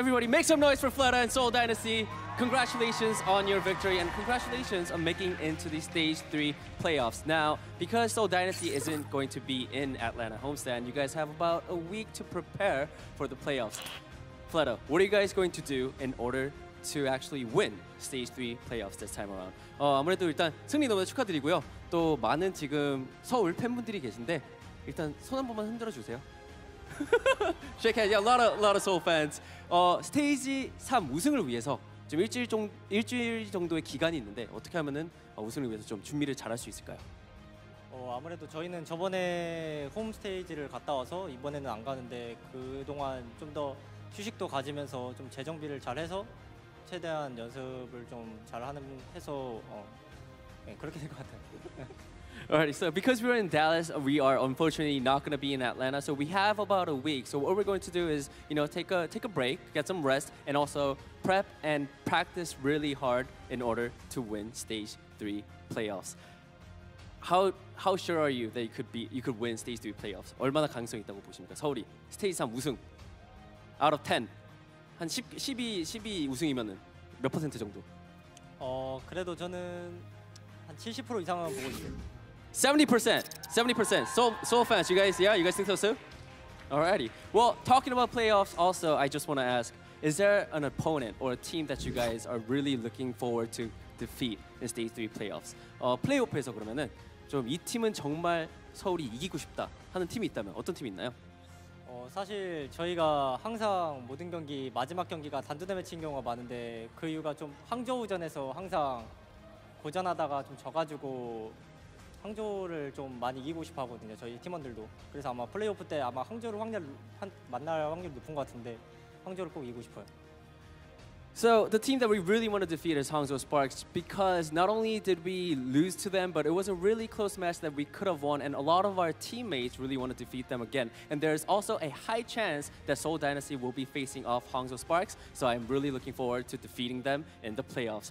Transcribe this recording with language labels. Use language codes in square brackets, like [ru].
[en] Everybody, make some noise for Fleta and Seoul Dynasty. Congratulations on your victory, and congratulations on making into the Stage 3 playoffs. Now, because Seoul Dynasty isn't going to be in Atlanta homestand, you guys have about a week to prepare for the playoffs. Fleta, what are you guys going to do in order to actually win Stage 3 playoffs this time around? [ko] 아무래도 일단 승리 너무 축하드리고요. 또 많은 지금 서울 팬분들이 계신데 일단 손 한 번만 흔들어 주세요. [en] Shake hands. Yeah, a lot of Seoul fans. [ko] 스테이지 3 우승을 위해서 지금 일주일 정도의 기간이 있는데 어떻게 하면은 우승을 위해서 좀 준비를 잘할 수 있을까요? 아무래도 저희는 저번에 홈 스테이지를 갔다 와서 이번에는 안 가는데 그동안 좀 더 휴식도 가지면서 좀 재정비를 잘해서 최대한 연습을 좀 잘해서 그렇게 될 것 같아요. [en] Alrighty, so because we're in Dallas, we are unfortunately not going to be in Atlanta. So we have about a week. So what we're going to do is, you know, take a break, get some rest, and also prep and practice really hard in order to win Stage 3 playoffs. How sure are you that you could win Stage 3 playoffs? [ko] 얼마나 가능성이 있다고 보십니까? 서울이 스테이지 3 우승. [en] Out of 10, [ko] 한 12 우승이면은 몇 퍼센트 정도? 그래도 저는 한 70% 이상은 보고 있어요. [en] 70%. Seoul fans, you guys think so too? Alrighty. Well, talking about playoffs, also, I just want to ask, is there an opponent or a team that you guys are really looking forward to defeat in Stage 3 playoffs? [ko] 플레이오프에서 그러면은 좀 이 팀은 정말 서울이 이기고 싶다 하는 팀이 있다면 어떤 팀이 있나요? 사실 저희가 항상 모든 경기 마지막 경기가 단두대 매치인 경우가 많은데 그 이유가 좀 항저우전에서 항상 고전하다가 좀 져가지고 항저우를 좀 많이 이기고 싶어 하거든요 저희 팀원들도 그래서 아마 플레이오프 때 아마 항저우를 만날 확률이 높은 것 같은데 항저우를 꼭 이기고 싶어요 [en] So the team that we really want to defeat is Hangzhou Sparks because not only did we lose to them, but it was a really close match that we could have won and a lot of our teammates really want to defeat them again. And there's also a high chance that Seoul Dynasty will be facing off Hangzhou Sparks. So I'm really looking forward to defeating them in the playoffs.